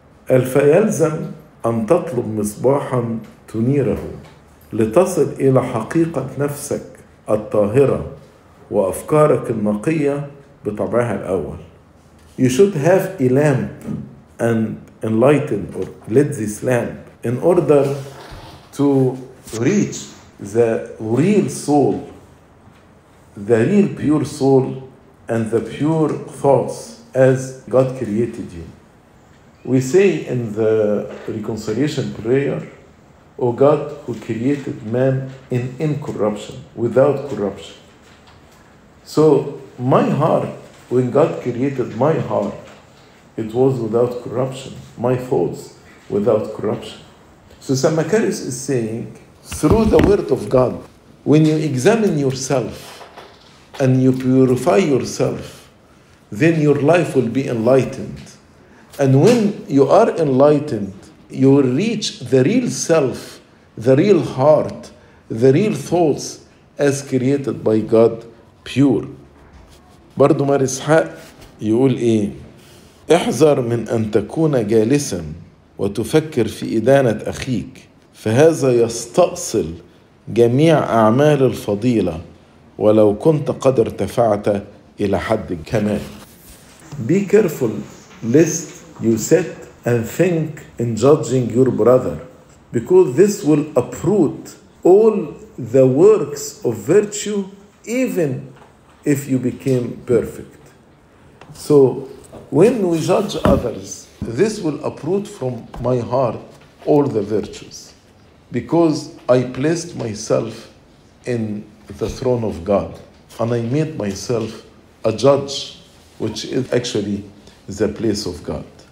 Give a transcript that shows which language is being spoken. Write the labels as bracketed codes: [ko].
[ar] الفيلزم أن تطلب مصباحا تنيره لتصل إلى حقيقة نفسك الطاهرة وأفكارك النقية بطبعها الأول. [en] You should have a lamp and enlighten or lit this lamp in order to reach the real soul, the real pure soul and the pure thoughts as God created you. We say in the reconciliation prayer, O God who created man in incorruption, without corruption. So my heart, when God created my heart, it was without corruption, my thoughts without corruption. So San Macarius is saying, through the word of God, when you examine yourself and you purify yourself, then your life will be enlightened. And when you are enlightened, you will reach the real self, the real heart, the real thoughts as created by God, pure. [ar] برضو مار إسحاق يقول إيه؟ احذر من أن تكون جالساً وتفكر في إدانة أخيك، فهذا يستأصل جميع أعمال الفضيلة ولو كنت قد ارتفعت إلى حد الكمال. [en] Be careful lest you sit and think in judging your brother, because this will uproot all the works of virtue even if you became perfect. So when we judge others, this will uproot from my heart all the virtues, because I placed myself in the throne of God and I made myself a judge, which is actually the place of God.